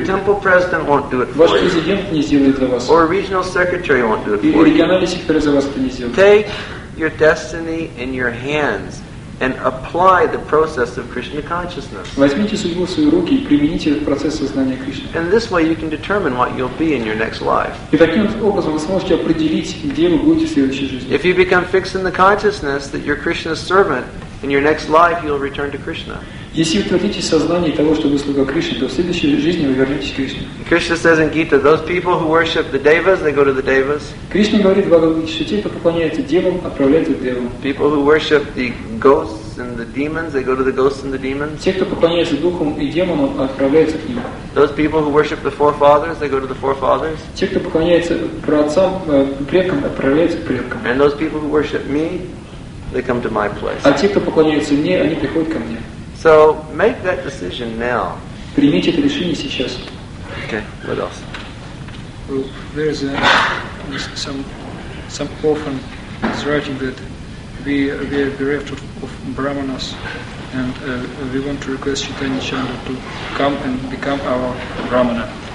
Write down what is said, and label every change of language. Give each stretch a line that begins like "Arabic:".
English: Your temple president won't do it for you.
Russian: Ваш президент не сделает за вас.
English: Or regional secretary won't do it for you.
Russian: Региональный секретарь за вас это не сделает.
English: Take your destiny in your hands. And apply the process of Krishna consciousness.
Russian: Возьмите судьбу в свои руки и примените процесс сознания Кришны.
English: And this way you can determine what you'll be in your next life.
Russian: И таким образом вы сможете определить, где вы будете в следующей жизни.
English: If you become fixed in the consciousness that you're Krishna's servant, in your next life you'll return to Krishna.
Russian: Если вы утвердитесь в сознании того, что вы слуга Кришны, то в следующей жизни вы вернетесь к Кришне.
English: Krishna says in Gita, those people who worship the devas, they go to the devas.
Russian: Кришна говорит в Бхагавад-гите, что те, кто поклоняется девам, отправляются к девам.
English: People who worship the ghosts and the demons, they go to the ghosts and the demons.
Russian: Те, кто поклоняется духам и демонам, отправляются к ним.
English: Those people who worship the forefathers, they go to the forefathers.
Russian: Те, кто поклоняется праотцам, предкам, отправляются к предкам.
English: And those people who worship me, they come to my place.
Russian: А те, кто поклоняется мне, они приходят ко мне.
English: So make that decision now.
Russian: Примите это решение сейчас.
English: Okay. What else? Well, there is some orphan is writing that we are bereft of brahmanas, and we want to request Chaitanya Chandra to come and become our brahmana.